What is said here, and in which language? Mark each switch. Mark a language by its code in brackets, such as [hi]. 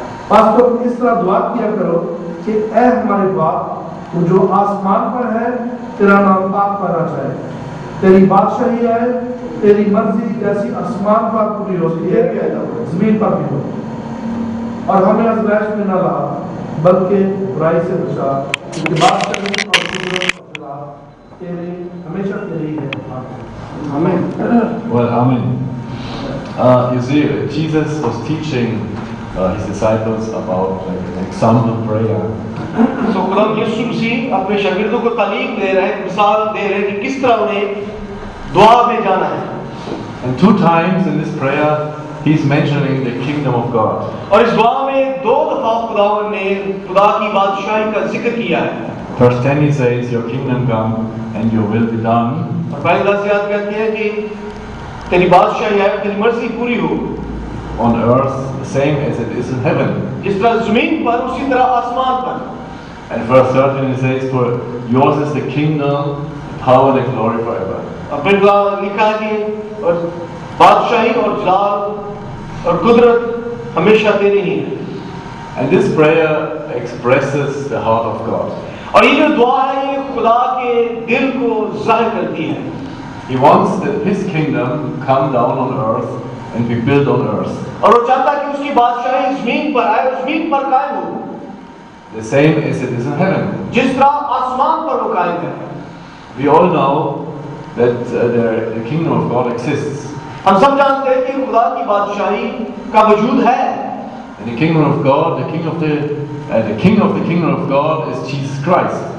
[hi] बस तुम इस तरह दुआ किया करो कि ऐ हमारे बाप तू जो आसमान पर है तेरा नाम पाक करना चाहे, तेरी बादशाही आए, तेरी मर्जी जैसी आसमान पर पूरी हो सके जमीन पर भी हो. और हमें अजमाइश में ना ला बल्कि बुराई से बचा क्योंकि बादशाही और फजीलत तेरे हमेशा तेरी है. आमीन. वेल आमीन. [en] You see, Jesus was teaching his disciples about an example prayer. [hi] So, खुदा यीशु मसीह अपने शागिर्दों को तालीम दे रहे हैं, मिसाल दे रहे हैं कि किस तरह उन्हें दुआ में जाना है. [en] And two times in this prayer, he's mentioning the kingdom of God. [hi] और इस दुआ में दो दफा खुदावंद ने खुदा की बादशाही का जिक्र किया है. [en] First 10 he says, your kingdom come and your will be done. [hi] और पहले 10 याद कहते हैं कि तेरी बादशाही आए, तेरी मर्जी पूरी हो. [en] On earth, the same as it is in heaven. [hi] जिस तरह ज़मीन पर उसी तरह आसमान पर. [en] And verse 13 it says, for yours is the kingdom, the power, and the glory forever. [hi] अपेक्षा लिखा है और बादशाही और जलाल और कुदरत हमेशा तेरी ही है. [en] And this prayer expresses the heart of God. [hi] और ये जो दुआ है ये खुदा के दिल को जाहिर करती है. [en] He wants that his kingdom come down on earth and be built on earth. [hi] और वो चाहता है कि उसकी बादशाही ज़मीन पर आए, ज़मीन पर कायम हो. [en] The same as it is in heaven. [hi] Jis tarah aasman par wo qaim hai. [en] We all know that the kingdom of God exists. [hi] Hum sab jante hain ki khuda ki badshahi ka wujood hai. [en] And the kingdom of God, the king of the king of the kingdom of God is Jesus Christ.